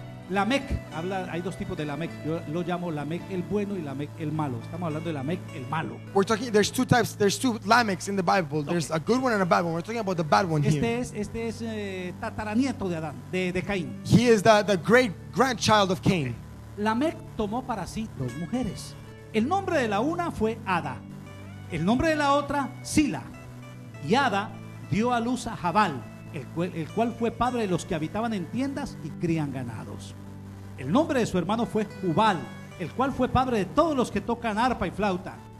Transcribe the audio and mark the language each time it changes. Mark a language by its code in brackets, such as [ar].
[es] Lamec, habla, hay dos tipos de Lamec. Yo lo llamo Lamec el bueno y Lamec el malo. Estamos hablando de Lamec el malo. [en] We're talking, there's two types, there's two Lameks in the Bible. There's okay. A good one and a bad one. We're talking about the bad one [es] este [en] here. [es] Este es tataranieto de Adán, de Caín. [en] He is the great grandchild of Cain. Okay. [es] Lamec tomó para sí dos mujeres. El nombre de la una fue Ada. El nombre de la otra, Sila. Y Ada dio a luz a Jabal, el cual fue padre de los que habitaban en tiendas y crían ganados. El nombre de su hermano fue Jubal, el cual fue padre de todos los que tocan arpa y flauta.